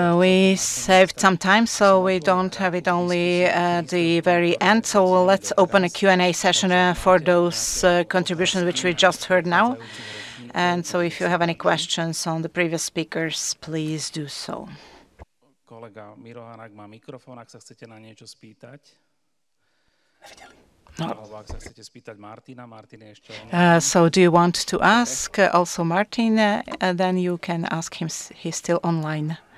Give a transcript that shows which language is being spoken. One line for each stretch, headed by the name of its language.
English: We saved some time, so we don't have it only at the very end. So let's open a Q&A session for those contributions which we just heard now. And so if you have any questions on the previous speakers, please do so.
Slovak: Kolega Miro Hanák má mikrofón, ak sa chcete na niečo spýtať. Nevideli.
English: So do you want to ask also Martin? Then you can ask him, he's still online.